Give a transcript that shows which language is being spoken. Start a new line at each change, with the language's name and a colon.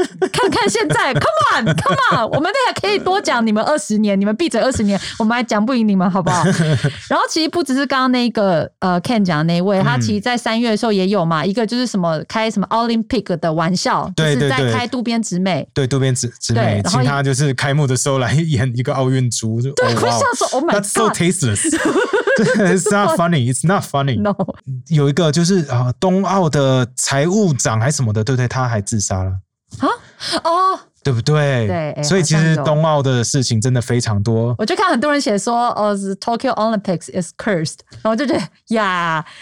Chinese: 看看现在，
English: Come on， Come on，
Chinese: 我们那个可以多讲你们二十年，你们闭嘴二十年，我们还讲不赢你们，好不好？然后其实不只是刚刚那个Ken 讲的那一位，他其实在三月的时候也有嘛，一个就是什么开什么 Olympic 的玩笑，对对对，就是在开渡边直美，对渡边直美，请他就是开幕的时候来演一个奥运猪，对，哦，我想说
English: Oh my God， that's so tasteless， it's not funny， it's not funny， no。
Chinese: 有一个就是冬奥的财务长还什么的，对不对？他还自杀了啊？哦，对不对？对，所以其实冬奥的事情真的非常多。我就看很多人写说，哦 ，
English: Tokyo Olympics is cursed，
Chinese: 然后就觉得呀。